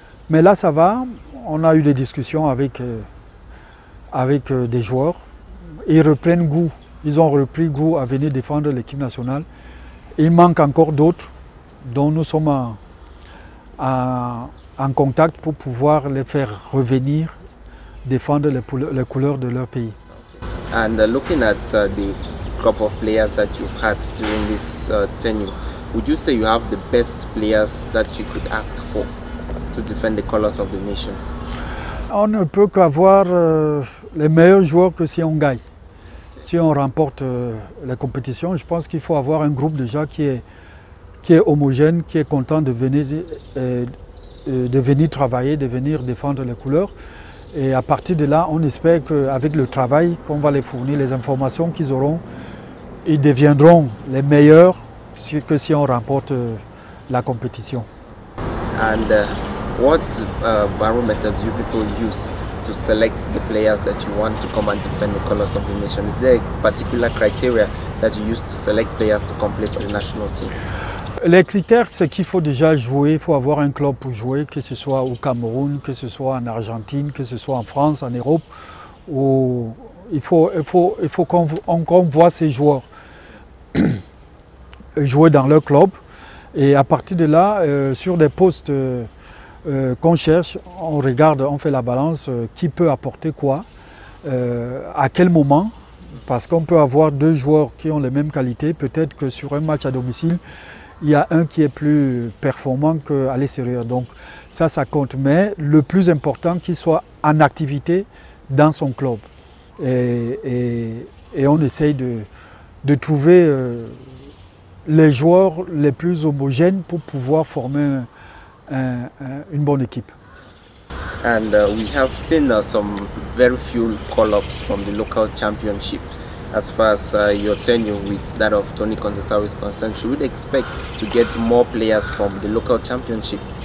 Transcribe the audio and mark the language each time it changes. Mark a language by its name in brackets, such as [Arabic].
[French] Mais là ça va, on a eu des discussions avec des joueurs. Ils reprennent goût, ils ont repris goût à venir défendre l'équipe nationale. Il manque encore d'autres dont nous sommes en contact pour pouvoir les faire revenir défendre les couleurs de leur pays. [English] And looking at the group of players that you've had during this tenure, would you say you have the best players that you could ask for to defend the colors of the nation? [French] On ne peut qu'avoir les meilleurs joueurs que si on gagne. Si on remporte la compétition, je pense qu'il faut avoir un groupe déjà qui est homogène, qui est content de venir travailler, de venir défendre les couleurs. Et à partir de là, on espère qu'avec le travail qu'on va les fournir, les informations qu'ils auront, ils deviendront les meilleurs que si on remporte la compétition. [English] And what barometer do you people use to select the players that you want to come and defend the colors of the nation? Is there a particular criteria that you use to select players to play for the national team? [French] Les critères, c'est qu'il faut déjà jouer, il faut avoir un club pour jouer, que ce soit au Cameroun, que ce soit en Argentine, que ce soit en France, en Europe. Ou il faut qu'on voit ces joueurs jouer dans leur club. Et à partir de là, sur des postes qu'on cherche, on regarde, on fait la balance, qui peut apporter quoi, à quel moment, parce qu'on peut avoir deux joueurs qui ont les mêmes qualités, peut-être que sur un match à domicile, il y a un qui est plus performant qu'à l'extérieur. Donc ça compte, mais le plus important, qu'il soit en activité dans son club. Et on essaye de trouver les joueurs les plus homogènes pour pouvoir former une bonne équipe. [English] And we have seen some very few call-ups from the local championship as far as your tenure with that of Tony Conceição is concerned. Should we expect to get more players from the local championship?